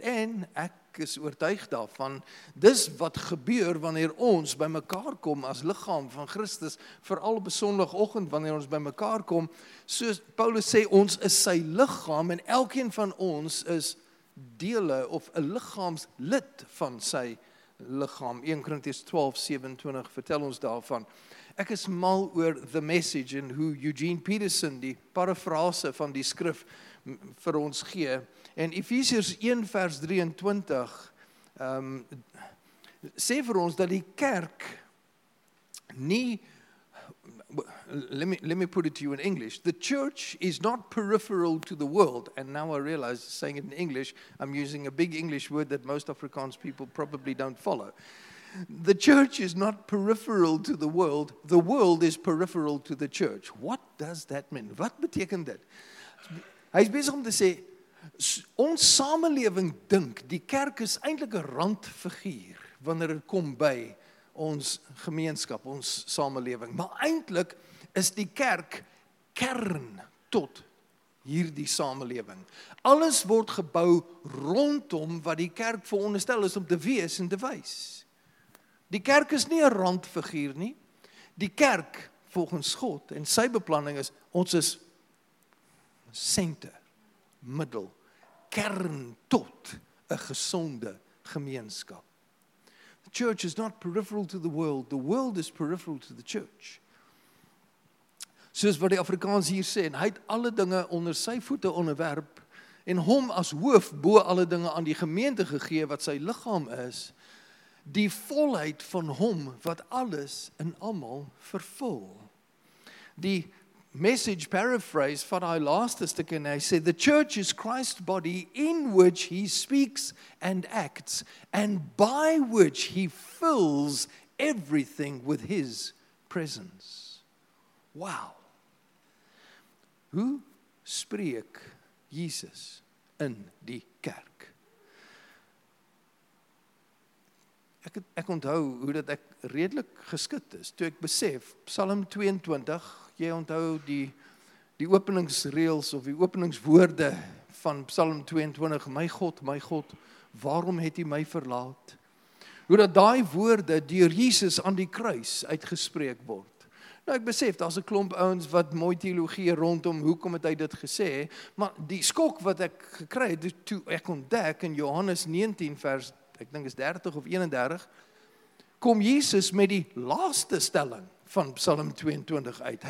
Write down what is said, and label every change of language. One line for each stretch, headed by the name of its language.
Afrikaans: En ek is oortuig daarvan, dis wat gebeur wanneer ons by mekaar kom as liggaam van Christus, veral op Sondagoggend wanneer ons by mekaar kom, soos Paulus sê, ons is sy liggaam en elkeen van ons is dele of 'n liggaamslid van sy liggaam. 1 Korintiërs 12:27 vertel ons daarvan. Ek is mal oor The Message en hoe Eugene Peterson die parafrase van die skrif vir ons gee. En Efesiërs 1:23 sê vir ons dat die kerk nie,
English: let me put it to you in English, the church is not peripheral to the world, and now I realize saying it in English, I'm using a big English word that most Afrikaans people probably don't follow. The church is not peripheral to the world is peripheral to the church. What does that mean?
Afrikaans: Wat beteken dit? Hy is besig om te sê, ons samelewing dink, die kerk is eintlik 'n randfiguur, wanneer het kom by ons gemeenskap, ons samelewing. Maar eintlik is die kerk kern tot hierdie samelewing. Alles word gebou rondom wat die kerk veronderstel is om te wees en te wys. Die kerk is nie 'n randfiguur nie. Die kerk, volgens God en sy beplanning is, ons is senter, middel, kern tot 'n gesonde gemeenskap.
English: The church is not peripheral to the world. The world is peripheral to the church.
Afrikaans: Soos wat die Afrikaans hier sê, en hy het alle dinge onder sy voete onderwerp, en hom as hoof bo alle dinge aan die gemeente gegee wat sy liggaam is, die volheid van hom wat alles in almal vervul. Die Message paraphrase vat hy laaste stuk en hy sê,
English: the church is Christ's body in which he speaks and acts and by which he fills everything with his presence.
Afrikaans: Wow! Hoe spreek Jesus in die kerk? Ek onthou hoe dat ek redelik geskud is, toe ek besef, Psalm 22, jy onthou die openingsreels of die openingswoorde van Psalm 22, my God, waarom het U my verlaat? Hoe dat daai woorde deur Jesus aan die kruis uitgespreek word. Nou ek besef, daar's 'n klomp ouens wat mooi teologie rondom, hoekom het hy dit gesê, maar die skok wat ek gekry het, toe ek ontdek in Johannes 19 vers, ek dink is 30 of 31, kom Jesus met die laaste stelling van Psalm 22 uit.